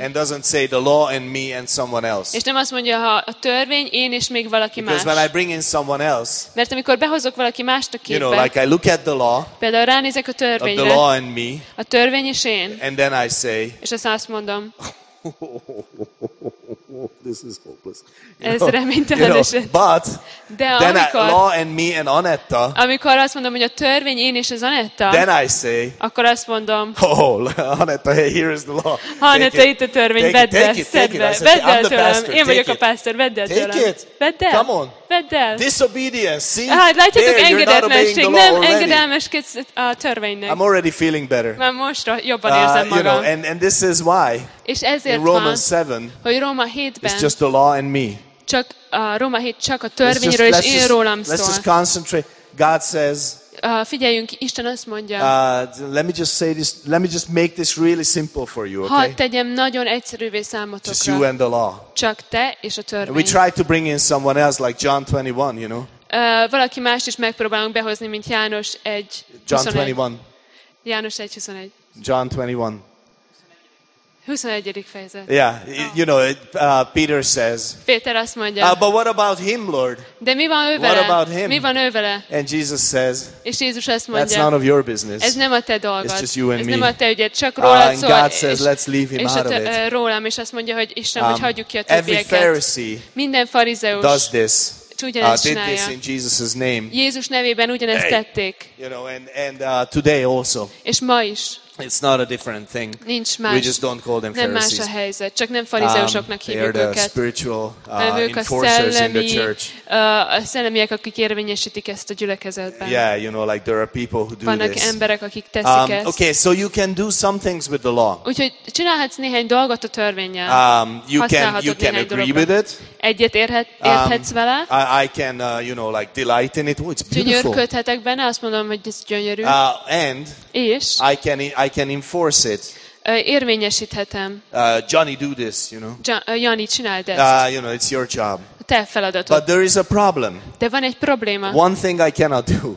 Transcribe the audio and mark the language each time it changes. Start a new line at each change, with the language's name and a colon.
English: And doesn't say the law and me and someone else.
Hungarian: És nem azt mondja, ha a törvény én és még valaki
English: because
Hungarian: más.
English: Because when I bring in someone else.
Hungarian: Mert amikor behozok valaki mást a képbe.
English: You know, like I look at the law.
Hungarian: Például ránézek a törvényre.
English: The law and me.
Hungarian: A törvény és én.
English: And then I say.
Hungarian: És azt mondom.
English: This is hopeless.
Hungarian: Ez reménytelen eset.
English: But
Hungarian: de
English: then
Hungarian: amikor,
English: law and me and Anetta.
Hungarian: Amikor azt mondom, hogy a törvény én és az Anetta.
English: Then I say.
Hungarian: Akkor azt mondom.
English: Oh, Anetta, hey, here is the law.
Hungarian: Anetta, itt a törvény, vedd el, szedd be. Vedd el tőlem. Én vagyok a pásztor, vedd el tőlem.
English: Take it.
Hungarian: Vedd el.
English: Come on.
Hungarian: Vedd el.
English: Disobedience. See?
Hungarian: Hát, látjátok, engedelmesség. Nem engedelmeskedsz a törvénynek.
English: I'm already feeling better.
Hungarian: Már most jobban érzem magam.
English: You know, and this is why.
Hungarian: És ezért
English: in Romans 7,
Hungarian: hogy Róma 7-ben
English: it's just the law and me.
Hungarian: Csak a Róma 7 csak a törvényről és én rólam szól.
English: Let's just concentrate. God says.
Hungarian: Figyeljünk, Isten azt mondja.
English: Let me just say this. Let me just make this really simple for you, okay?
Hungarian: Hadd tegyem nagyon egyszerűvé számotokra.
English: Just you and the law.
Hungarian: Csak te és a törvény.
English: And we try to bring in someone else, like John 21, you know?
Hungarian: Valaki mást is megpróbálunk behozni, mint János 1.
English: John 21.
Hungarian: János 1:21.
English: John 21.
Hungarian: 21. fejezet.
English: Yeah, you know, Peter says.
Hungarian: Péter azt mondja.
English: But what about him, Lord?
Hungarian: De mi van ő vele?
English: What about him?
Hungarian: Mi van ő vele?
English: And Jesus says.
Hungarian: És Jézus azt mondja.
English: That's none of your business.
Hungarian: Ez nem a te dolgod.
English: It's just you and me.
Hungarian: Ez nem a te ügyed, csak rólad szól.
English: And God says, let's leave him out of it.
Hungarian: Rólam, és azt mondja, hogy Isten, hogy hagyjuk ki a többieket.
English: Every Pharisee.
Hungarian: Minden farizeus.
English: Does this. Did this in Jesus's name.
Hungarian: Jézus nevében ugyanezt tették.
English: You know, and today also.
Hungarian: És ma is.
English: It's not a different thing.
Hungarian: Nincs más.
English: We just don't call them
Hungarian: nem
English: Pharisees.
Hungarian: Nem más a helyzet. Csak nem farizeusoknak hívjuk őket.
English: They're the spiritual enforcers in the church.
Hungarian: A szellemiek, akik érvényesítik ezt a gyülekezetben.
English: Yeah, you know, like there are people who do
Hungarian: vannak
English: this.
Hungarian: Vannak emberek, akik teszik ezt.
English: Okay, so you can do some things with the law.
Hungarian: Úgyhogy csinálhatsz néhány dolgot a törvénnyel.
English: You can agree with it.
Hungarian: Egyet érthetsz vele.
English: I can you know, like delight in it. Oh, it's beautiful.
Hungarian: Gyönyörködhetek benne, azt mondom, hogy ez gyönyörű. És
English: I can enforce it.
Hungarian: Érvényesíthetem.
English: Johnny, do this, you know.
Hungarian: Johnny, csináld ezt.
English: You know, it's your job.
Hungarian: Te feladatod.
English: But there is a problem.
Hungarian: De van egy probléma.
English: One thing I cannot do.